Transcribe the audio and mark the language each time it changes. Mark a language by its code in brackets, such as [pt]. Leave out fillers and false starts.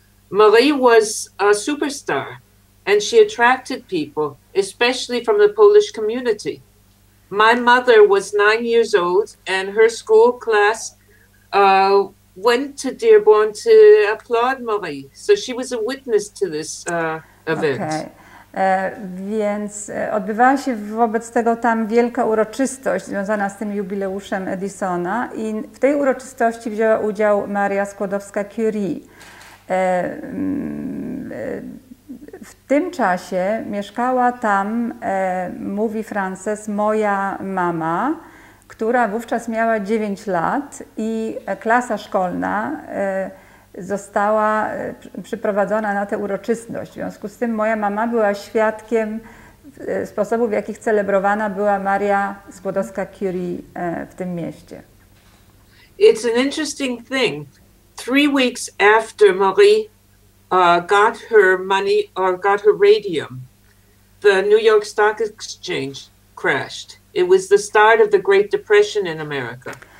[en] Marie was a superstar, and she attracted people, especially from the Polish community. My mother was 9 years old, and her school class went to Dearborn to applaud Marie. So she was a witness to this event. Okay. [pl] Więc odbywała się wobec tego tam wielka uroczystość związana z tym jubileuszem Edisona i w tej uroczystości wzięła udział Maria Skłodowska-Curie. W tym czasie mieszkała tam, mówi Frances, moja mama, która wówczas miała 9 lat i klasa szkolna została przyprowadzona na tę uroczystość. W związku z tym moja mama była świadkiem sposobu, w jakich celebrowana była Maria Skłodowska-Curie w tym mieście. [en] It's an interesting thing. 3 weeks after Marie got her money or got her radium, the New York Stock Exchange crashed. It was the start of the Great Depression in America.